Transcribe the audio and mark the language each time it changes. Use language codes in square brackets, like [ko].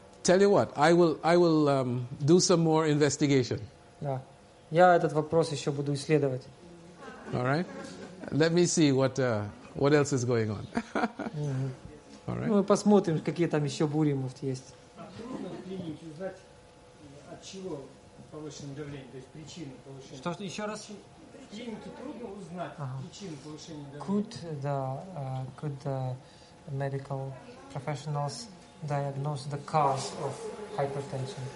[en] tell you what, I will do some more investigation. [ru] Да. Я этот вопрос еще буду исследовать. [en] All right. Let me see what else is going on. Mm-hmm. All right. [ru] Ну, посмотрим, какие там еще бури может есть. А трудно в клинике узнать, от чего повышено давление, то есть причину повышения. Что еще раз? В клинике трудно узнать причину повышения давления. [en] Could the medical professionals diagnose the cause of hypertension?